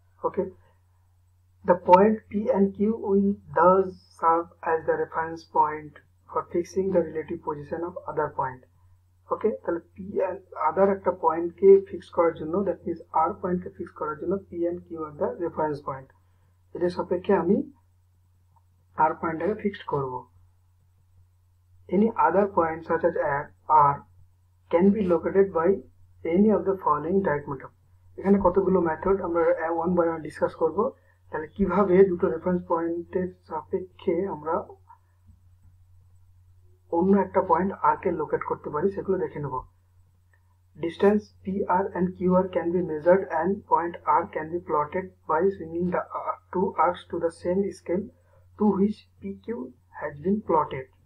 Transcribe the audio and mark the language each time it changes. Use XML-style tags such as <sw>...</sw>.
<en>Okay, the point P and Q will thus serve as the reference point for fixing the relative position of other point. Okay, so P and other</en> <bn>একটা point কে fix করার জন্য,</bn> <en>that means R point কে fix করার জন্য P and Q are the reference point.</en> <bn>এর সাপেক্ষে আমি R pointটাকে fixed করব।</bn> <en>Any other point such as R can be located by any of the following direct method.</en> <bn>এখানে কতগুলো method আমরা</bn> <en>one by one</en> <bn>discuss করব। তাহলে কিভাবে দুটো reference point এর সাপেক্ষে আমরা অন্য একটা পয়েন্ট আর কে লোকেট করতে পারি সেগুলো দেখে নেব।</bn> <en>Distance P R and Q R can be measured and point R can be plotted by swimming the two arcs to the same scale to which P Q has been plotted.</en>